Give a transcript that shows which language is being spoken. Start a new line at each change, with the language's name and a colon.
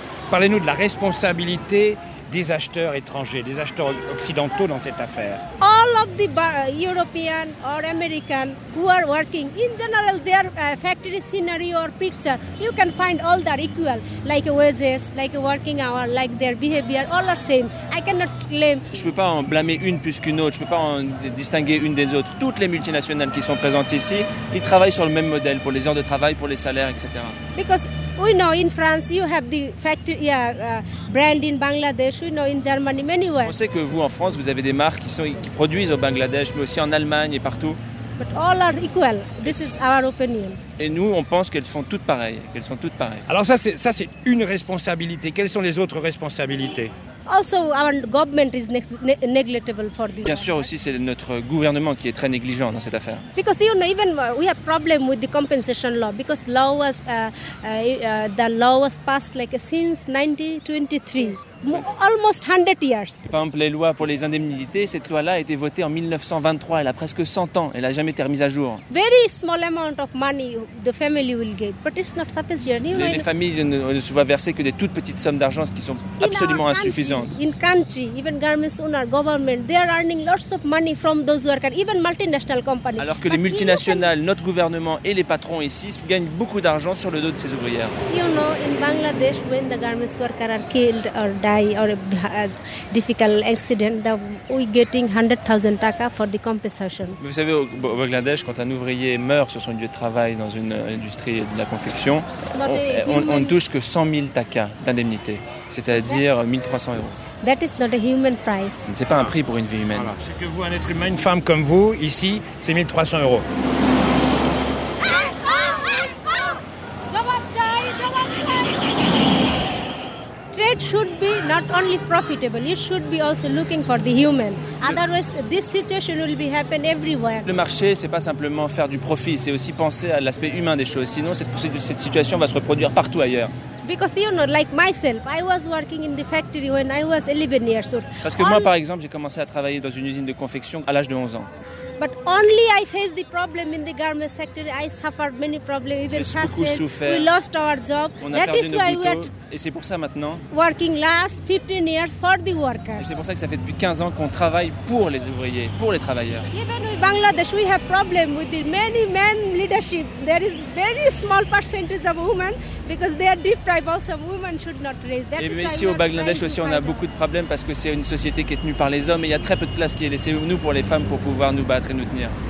French: Parlez-nous de la responsabilité des acheteurs étrangers, des acheteurs occidentaux dans cette affaire.
English: All of the European or American who are working, in general, their factory scenery or picture, you can find all that equal, like wages, like working hour, like their behavior, all are same. I cannot claim.
French: Je ne peux pas en blâmer une plus qu'une autre, je ne peux pas en distinguer une des autres. Toutes les multinationales qui sont présentes ici, qui travaillent sur le même modèle pour les heures de travail, pour les salaires, etc.
English: Because we know in France you have the factory brand in Bangladesh. We know in Germany many ways.
French: On sait que vous en France vous avez des marques qui produisent au Bangladesh, mais aussi en Allemagne et partout.
English: But all are equal. This is our opinion.
French: Et nous, on pense qu'elles sont toutes pareilles. Qu'elles sont toutes pareilles. Alors ça c'est une responsabilité. Quelles sont les autres responsabilités?
English: Also, our government is negligible for this.
French: Bien sûr, aussi c'est notre gouvernement qui est très négligent dans cette affaire.
English: Because you know, even we have problem with the compensation law because the law was passed like since 1923, almost 100 years.
French: Par exemple, les lois pour les indemnités, cette loi-là a été votée en 1923. Elle a presque 100 ans. Elle n'a jamais été remise à jour.
English: Very small amount of money the family will get, but it's not sufficient.
French: Les familles ne se voient verser que des toutes petites sommes d'argent, ce qui sont absolument insuffisantes.
English: In country, even garments owner, government, they are earning lots of money from those workers, even multinational companies.
French: Alors que les multinationales, notre gouvernement et les patrons ici gagnent beaucoup d'argent sur le dos de ces ouvrières.
English: You know, in Bangladesh, when the garments worker are killed or die or a difficult accident, we getting 100,000 taka for the compensation.
French: Vous savez, au Bangladesh, quand un ouvrier meurt sur son lieu de travail dans une industrie de la confection, on ne touche que 100 000 taka d'indemnité. C'est-à-dire 1300 euros.
English: That is not a human price.
French: Ce n'est pas un prix pour une vie humaine. Voilà. C'est que vous, un être humain, une femme comme vous, ici, c'est 1300 euros.
English: Should be not only profitable, it should be also looking for the human. Otherwise, this situation will be happen everywhere.
French: Le marché, c'est pas simplement faire du profit, c'est aussi penser à l'aspect humain des choses. Sinon, cette situation va se reproduire partout ailleurs.
English: Because you know, like myself, I was working in the factory when I was 11 years old.
French: Parce que moi, par exemple, j'ai commencé à travailler dans une usine de confection à l'âge de 11 ans.
English: But only I faced the problem in the garment sector. I suffered many problems. Even personally, we lost our job. That is why we are.
French: Et c'est pour ça maintenant.
English: Working last 15 years for the workers.
French: Et c'est pour ça que ça fait depuis 15 ans qu'on travaille pour les ouvriers, pour les travailleurs.
English: Even in Bangladesh, we have problem with the many men leadership. There is very small percentage of women because they are deprived. Also, women should not raise. That is why.
French: Et ici au Bangladesh aussi, on a beaucoup de problèmes parce que c'est une société qui est tenue par les hommes et il y a très peu de place qui est laissée nous pour les femmes pour pouvoir nous battre et nous tenir.